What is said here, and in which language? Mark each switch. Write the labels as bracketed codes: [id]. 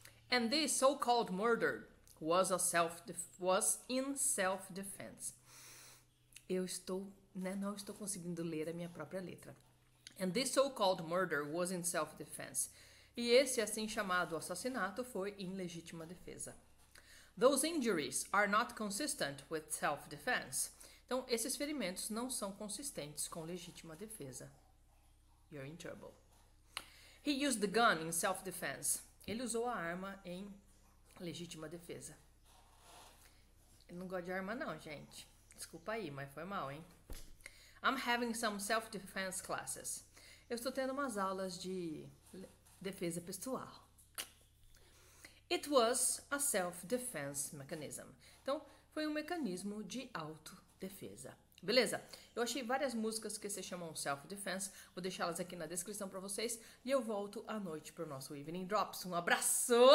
[en] And this so-called murder was, was in self-defense. [pt] Eu estou, né, não estou conseguindo ler a minha própria letra. [en] And this so-called murder was in self-defense. [pt] E esse assim chamado assassinato foi em legítima defesa. [en] Those injuries are not consistent with self-defense. [pt] Então, esses ferimentos não são consistentes com legítima defesa. [en] You're in trouble. He used the gun in self-defense. [pt] Ele usou a arma em legítima defesa. Ele não gosta de arma não, gente. Desculpa aí, mas foi mal, hein? [en] I'm having some self-defense classes. [pt] Eu estou tendo umas aulas de defesa pessoal. [en] It was a self-defense mechanism. [pt] Então, foi um mecanismo de autodefesa. Beleza? Eu achei várias músicas que se chamam self-defense. Vou deixá-las aqui na descrição para vocês. E eu volto à noite para o nosso Evening Drops. Um abraço!